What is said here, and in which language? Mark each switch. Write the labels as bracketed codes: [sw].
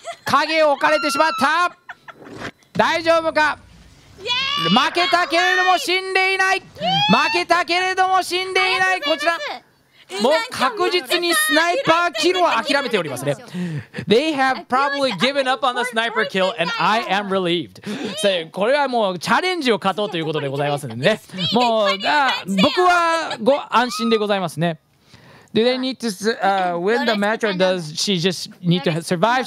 [ja] 影を置かれてしまった。大丈夫か、負けたけれども死んでいない、負けたけれども死んでいない。こちらもう確実にスナイパーキルは諦めておりますね。 [en] They have probably given up on the sniper kill and I am relieved. [ja] So, これはもうチャレンジを勝とうということでございますのでね、もう僕はご安心でございますね。 [en] Do they need to win the match or does she just need to survive?